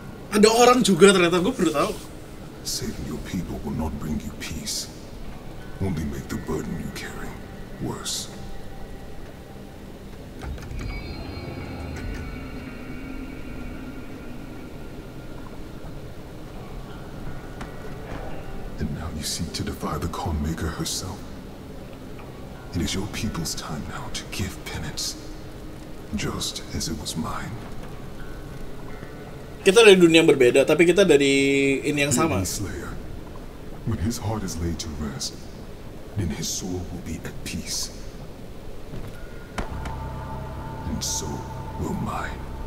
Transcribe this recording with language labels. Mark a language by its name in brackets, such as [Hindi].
[Indonesian] Ada orang juga ternyata, gue baru tahu. [English] Saving your people will not bring you peace. Only make the burden you carry worse. And now you seek to defy the Con Maker herself. It is your people's time now to give penance, just as it was mine. [Indonesian] Kita dari dunia yang berbeda, tapi kita dari ini yang sama. [English] Slayer, when his heart is laid to rest, then his soul will be at peace, and so will mine.